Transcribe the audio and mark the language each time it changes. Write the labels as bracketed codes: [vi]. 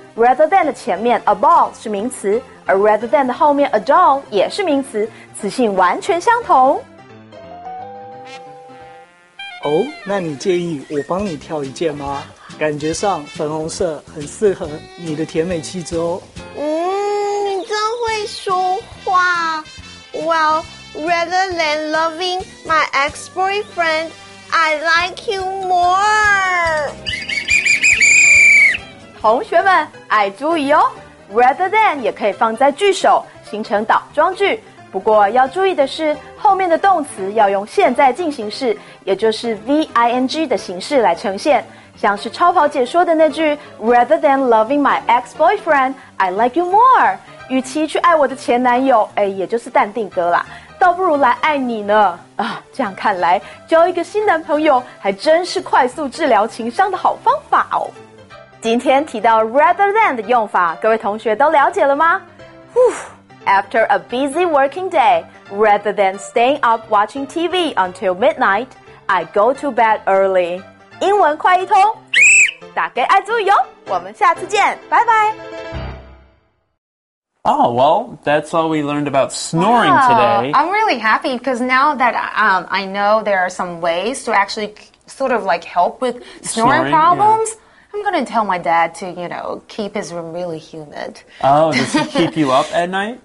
[zh] rather than 的前面 a ball 是名词，而 rather than 的后面 a doll 也是名词，词性完全相同。哦，那你介意我帮你挑一件吗？感觉上粉红色很适合你的甜美气质哦。你真会说话。 [en] Well, rather than loving my ex-boyfriend, I like you more. [zh] 同学们，爱注意哦。Rather than 也可以放在句首，形成倒装句。不过要注意的是，后面的动词要用现在进行式，也就是 V-I-N-G 的形式来呈现。像是超跑姐说的那句 [en] Rather than loving my ex-boyfriend, I like you more. [zh] 与其去爱我的前男友，也就是淡定哥啦，倒不如来爱你呢。啊，这样看来，交一个新男朋友还真是快速治疗情伤的好方法哦。今天提到 rather than 的用法，各位同学都了解了吗？ [en] After a busy working day, rather than staying up watching TV until midnight, I go to bed early. [zh] 英文快一通，打给爱注意哦，我们下次见，拜拜。 [en] Oh, well, that's all we learned about snoring today. I'm really happy because now that I know there are some ways to actually sort of like help with snoring problems,I'm going to tell my dad to, you know, keep his room really humid. Oh, does he keep you up at night?